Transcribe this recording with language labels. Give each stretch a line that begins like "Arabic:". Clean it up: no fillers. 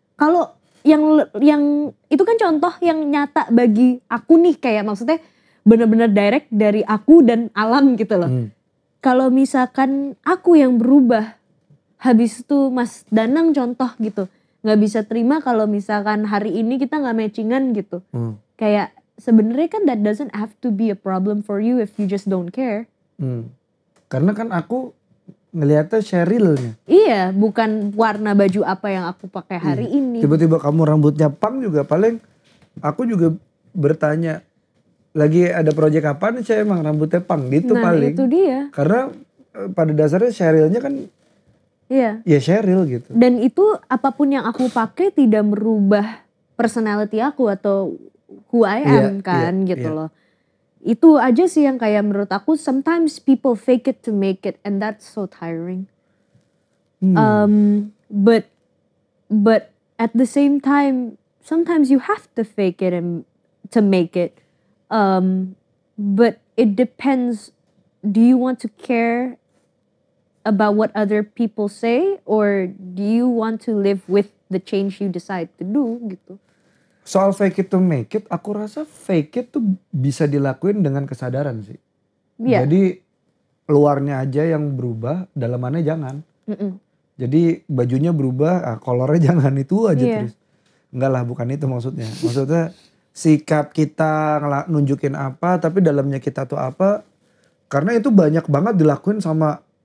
Indonesian: Kalau yang itu kan contoh yang nyata bagi aku nih, kayak maksudnya benar-benar direct dari aku dan alam gitu loh. Kalau misalkan aku yang berubah, habis itu Mas Danang contoh gitu, gak bisa terima kalau misalkan hari ini kita gak matchingan gitu. Kayak sebenarnya kan
English: that doesn't have to be a problem for you if you just don't care.
Indonesian: Karena kan aku ngeliatnya Cherylnya. Iya, bukan warna baju apa yang aku pakai hari ini. Tiba-tiba kamu rambutnya pang juga, paling aku juga bertanya, lagi ada proyek apa nih Cherylnya, emang rambutnya pang gitu paling. Nah itu dia. Karena pada dasarnya Cherylnya kan, iya, ya Cheryl gitu. Dan itu apapun yang aku pakai tidak merubah personality aku atau
English: who I am,
Indonesian: loh. Itu aja sih yang kayak menurut aku,
English: sometimes people fake it to make it and that's so tiring. But at the same time, sometimes you have to fake it and to make it. But it depends, do you want to care about what other people say or do you want to live with the change you decide to do gitu.
Indonesian: Soal
English: fake it to make it,
Indonesian: aku rasa fake it tuh bisa dilakuin dengan kesadaran sih.
English: Yeah.
Indonesian: Jadi luarnya aja yang berubah, dalamannya jangan. Jadi bajunya berubah, kolornya jangan, itu aja terus. Enggak lah, bukan itu maksudnya. Maksudnya sikap kita nunjukin apa, tapi dalamnya kita tuh apa. Karena itu banyak banget dilakuin sama